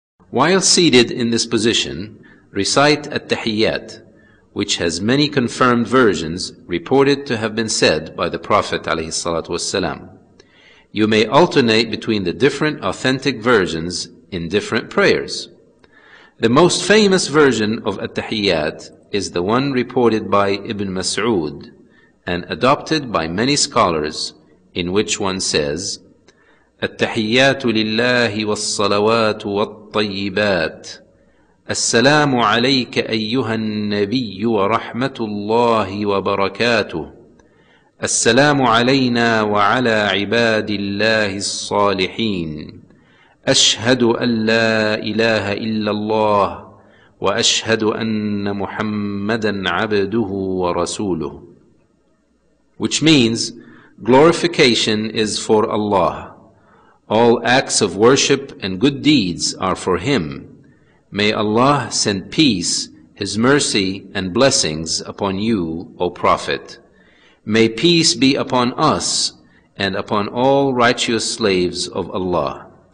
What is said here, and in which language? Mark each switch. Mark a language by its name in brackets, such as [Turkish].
[English] While seated in this position, recite At-Tahiyyat, which has many confirmed versions reported to have been said by the Prophet alayhi salatu wasalam. You may alternate between the different authentic versions in different prayers. The most famous version of At-Tahiyyat is the one reported by Ibn Mas'ud and adopted by many scholars, in which one says, [Arabic] التحيات لله والصلوات والطيبات السلام عليك أيها النبي ورحمة الله وبركاته السلام علينا وعلى عباد الله الصالحين أشهد أن لا إله إلا الله وأشهد أن محمدا عبده ورسوله. [English] Which means, glorification is for Allah. All acts of worship and good deeds are for Him. May Allah send peace, His mercy, and blessings upon you, O Prophet. May peace be upon us and upon all righteous slaves of Allah.